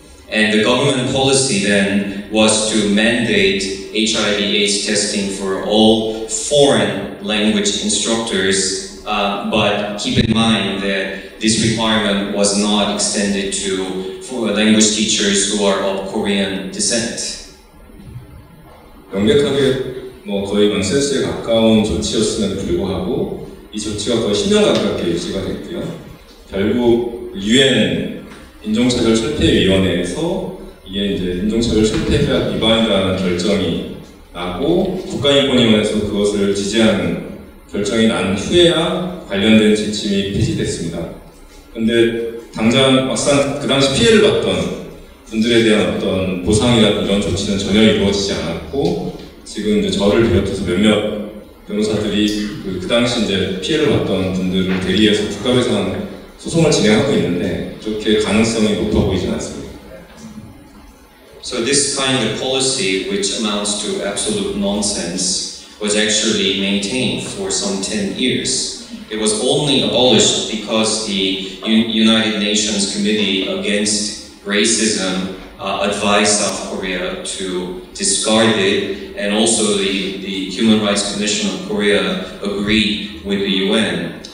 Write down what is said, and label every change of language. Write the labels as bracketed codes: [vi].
[en] And the government policy then was to mandate HIV/AIDS testing for all foreign language instructors, but keep in mind that this requirement was not extended to language teachers who are of Korean descent. [ko] 명백하게 뭐 거의 넌센스에 가까운 조치였음에도 불구하고 이 조치가 거의 10년 가깝게 유지가 됐고요. 결국 UN 인종차별 철폐 위원회에서 이게 이제 인종차별 철폐 위반이라는 결정이 나고 국가인권위원회에서 그것을 지지하는 결정이 난 후에야 관련된 지침이 폐지됐습니다. 근데 당장 막상 그 당시 피해를 봤던 분들에 대한 어떤 보상이나 이런 조치는 전혀 이루어지지 않았고 지금 이제 저를 비롯해서 몇몇 변호사들이 그 당시 이제 피해를 봤던 분들을 대리해서 국가배상 소송을 진행하고 있는데 그렇게 가능성이 높아 보이지 않습니다. [en] So this kind of policy, which amounts to absolute nonsense, was actually maintained for some 10 years. It was only abolished because the United Nations Committee Against Racism advised South Korea to discard it, and also the Human Rights Commission of Korea agreed with the UN.